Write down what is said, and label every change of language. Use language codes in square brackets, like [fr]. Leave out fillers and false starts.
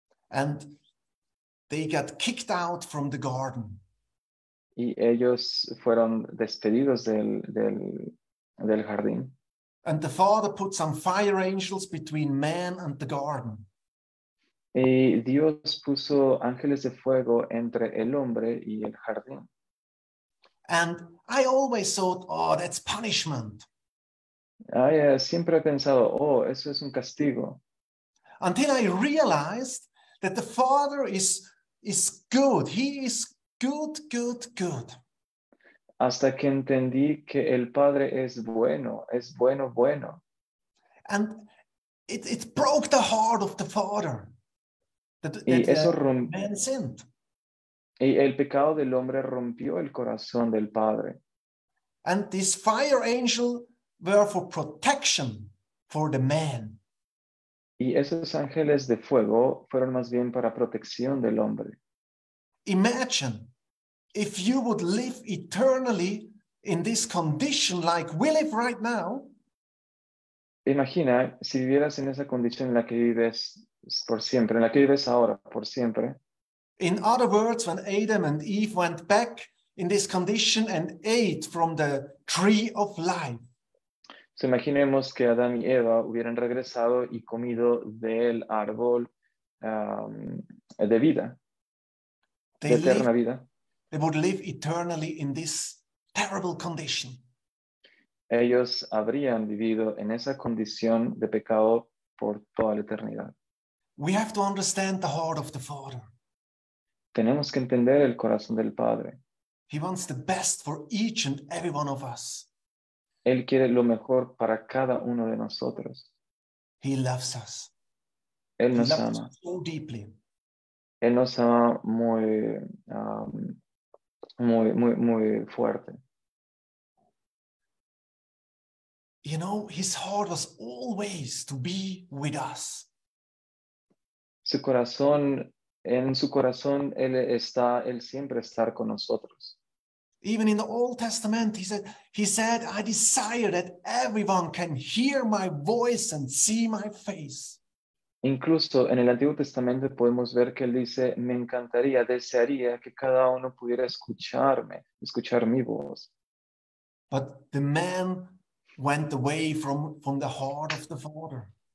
[en] And they got kicked out from the garden. [es] Y ellos fueron despedidos del jardín. [en] And the Father put some fire angels between man and the garden. [es] Y Dios puso ángeles de fuego entre el hombre y el jardín. [en] And I always thought, oh, that's punishment. [es] Siempre he pensado, oh, eso es un castigo. [en] Until I realized that the Father is good. He is good, good, good. [es] Hasta que entendí que el padre es bueno, bueno. [en] And it broke the heart of the father. That [es] y eso [en] man sinned. [es] Y el pecado del hombre rompió el corazón del padre. [en] And this fire angel were for protection for the man. [es] Y esos ángeles de fuego fueron más bien para protección del hombre. [en] Imagine if you would live eternally in this condition like we live right now. [es] Imagina si vivieras en esa condición en la que vives por siempre, en la que vives ahora, por siempre. [en] In other words, when Adam and Eve went back in this condition and ate from the tree of life. [es] So imaginemos que Adán y Eva hubieran regresado y comido del árbol de vida, [en] they [es] de eterna vida. [en] They would live eternally in this terrible condition. [es] Ellos habrían vivido en esa condición de pecado por toda la eternidad. [en] We have to understand the heart of the Father. [es] Tenemos que entender el corazón del Padre. [en] He wants the best for each and every one of us. [es] Él quiere lo mejor para cada uno de nosotros. [en] He loves us. [es] Él [en] he [es] nos [en] loves [es] ama. [en] Us so deeply. [es] Él nos ama muy, muy, muy, muy fuerte. [en] You know, his heart was always to be with us. [es] Su corazón, en su corazón, él siempre estar con nosotros. [en] Even in the Old Testament, he said, I desire that everyone can hear my voice and see my face. [es] Incluso en el Antiguo Testamento podemos ver que él dice, me encantaría, desearía que cada uno pudiera escucharme, escuchar mi voz. [en] But the man went away from the heart of the Father.